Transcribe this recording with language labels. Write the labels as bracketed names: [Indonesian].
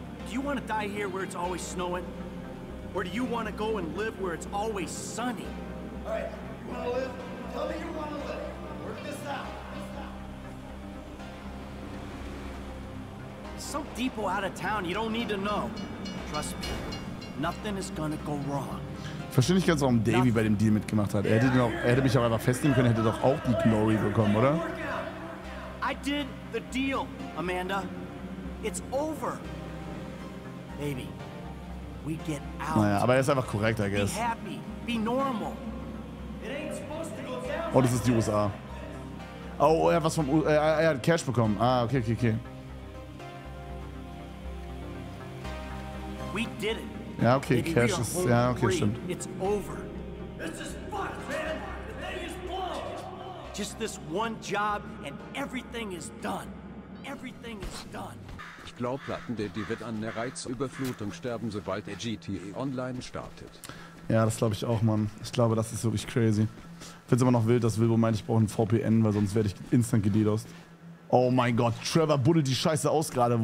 [English] Do you want to die here where it's always snowing? Or do you want to go and live where it's always sunny? All right, you want to live? Tell me you want to live. Work this out. Some depot out of town, you don't need to know. Trust me, nothing is gonna go wrong. [German] Verstehe nicht ganz, warum Davey bei dem Deal mitgemacht hat. Er hätte mich auch einfach festnehmen können, hätte doch auch die Glory bekommen, oder? [English] I did the deal, Amanda. It's over. Baby, we get out. [German] Naja, aber er ist einfach korrekt, [English] I guess. Be happy, be normal. It ain't supposed to go down. [German] Oh, das ist die USA. Oh, er hat was vom. Er hat Cash bekommen. Ah, okay. [English] We did it. [German] Ja, okay, Cash ist. Ja, okay, stimmt. [English] It's over. This is fucked, man. The thing is blown. Just this one job and everything is done. Everything is done. [German] Ich glaube, Platten-Daddy wird an der Reizüberflutung sterben, sobald der GTA online startet. Ja, das glaube ich auch, Mann. Ich glaube, das ist wirklich crazy. Find's immer noch wild, dass Wilbo meint, ich brauche ein VPN, weil sonst werde ich instant gededost. Oh mein Gott, Trevor buddelt die Scheiße aus gerade.